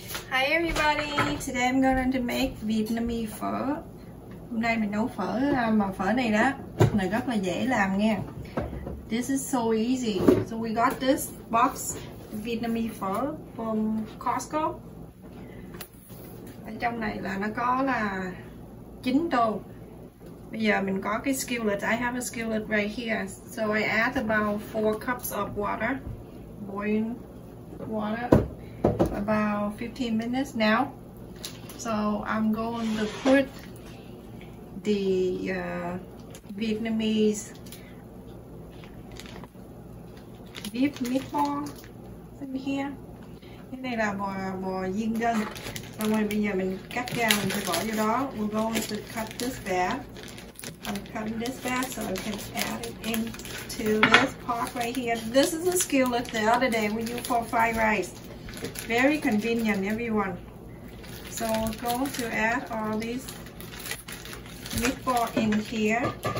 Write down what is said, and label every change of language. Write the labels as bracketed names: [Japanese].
[English] Hi everybody, today I'm going to make Vietnamese pho. [Vietnamese] Hôm nay mình nấu phở, mà phở này đó này rất là dễ làm nghe. [English] This is so easy. So we got this box Vietnamese pho from Costco. [Vietnamese] Ở trong này là nó có là 9 tô. Bây giờ mình có cái skillet, [English] I have a skillet right here. So I add about 4 cups of water, boiling water, about 15 minutes now. So I'm going to put the Vietnamese beef meatball in here. [Vietnamese] Cái này là bò diên gân. Rồi bây giờ mình cắt ra, mình sẽ bỏ vô đó. [English] We're going to cut this back. I'm cutting this back so I can add it into this pot right here. This is a skillet the other day we used for fried rice. Very convenient, everyone. So we're going to add all these meatball in here.